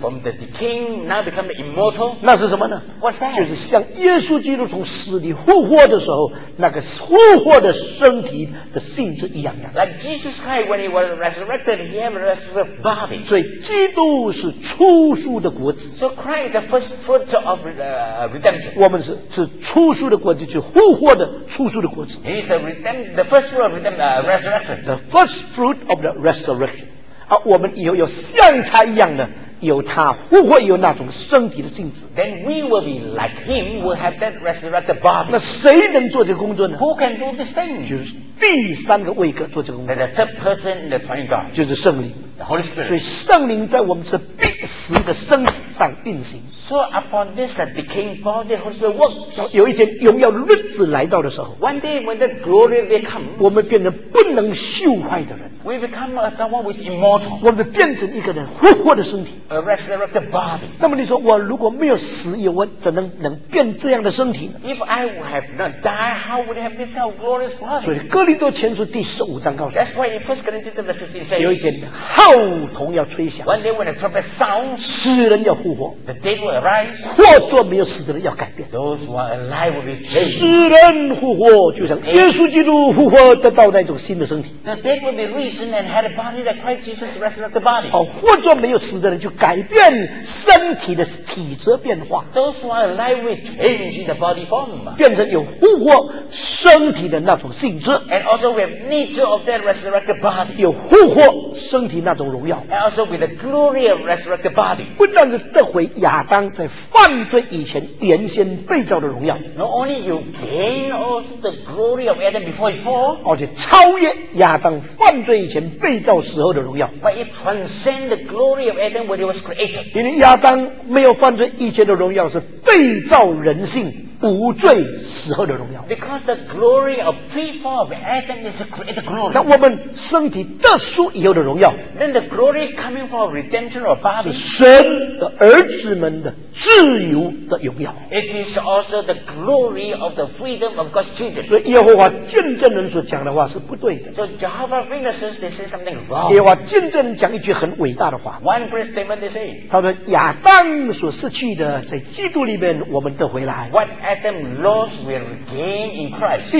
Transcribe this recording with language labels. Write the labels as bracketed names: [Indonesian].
[English] from the decaying now become immortal, [Chinese] 那是什么呢？ [English] What's that? [Chinese] 就是像耶稣基督从死里复活的时候，那个复活的身体的性质一样样。 [English] Like Jesus Christ when he was resurrected, he had a resurrected body. [Chinese] 所以基督是初熟的果子。 [English] So Christ is the first fruit of redemption. [Chinese] 我们是初熟的果子，是复活的初熟的果子。 [English] He is the first fruit of resurrection. The first fruit of the resurrection. [Chinese] 而我们以后要像他一样的。有他复活有那种身体的性质。 [English] Then we will be like him, we'll have that resurrected body. [Chinese] 那谁能做这个工作呢？ [English] Who can do this thing? [Chinese] 就是第三个位格做这个工作。 [English] The third person in the triune God. [Chinese] 就是圣灵。 [English] The Holy Spirit. [Chinese] 所以圣灵在我们这必死的身体上运行。 [English] So upon this decaying body, Holy Spirit works. [Chinese] 有一天荣耀日子来到的时候。 [English] One day when that glory will come. [Chinese] 我们变成不能朽坏的人。 [English] We become someone who is immortal. [Chinese] 我们变成一个人复活的身体。 [English] A resurrected body. [Chinese] 那么你说我如果没有死，我怎能变这样的身体呢？ [English] If I have not died, how would I have this glorious body? [Chinese] 所以哥林多前书第十五章告诉。 [English] That's why in First Corinthians chapter 15 says. [Chinese] 有一天号筒要吹响。 [English] One day when the trumpet sounds, [Chinese] 死人要复活。 [English] The dead will arise. [Chinese] 或做没有死的人要改变。 [English] Those who are alive will be changed. [Chinese] 死人复活，就像耶稣基督复活得到那种新的身体。 [English] The dead will be risen and had a body that Christ Jesus resurrected body. [Chinese] 好，或做没有死的人就。改变身体的体质变化 [English] Those who are alive will change the body form [Chinese] 变成有复活身体的那种性质 [English] And also we have nature of that resurrected body [Chinese] 有复活身体那种荣耀 [English] And also with the glory of resurrected body [Chinese] 不但是这回亚当在犯罪以前原先被造的荣耀 [English] Not only you gain also the glory of Adam before his fall [Chinese] 而且超越亚当犯罪以前被造时候的荣耀 [English] But it transcends the glory of Adam whenIt was created. [Chinese] 因为亚当没有犯罪以前的荣耀是被造人性无罪时候的荣耀 [English] Because the glory of pre-fall of Adam is a created glory [Chinese] 那我们身体得赎以后的荣耀 [English] Then the glory coming from redemption of body [Chinese] 是神的儿子们的自由的荣耀 [English] It is also the glory of the freedom of God's children [Chinese] 所以耶和华见证人所讲的话是不对的 [English] So Jehovah's Witnesses they say something wrong [Chinese] 耶和华见证人讲一句很伟大的话 [English] One great statement they say [Chinese] 他说亚当所失去的在基督里面我们得回来 [English] What Adam lost will regain in Christ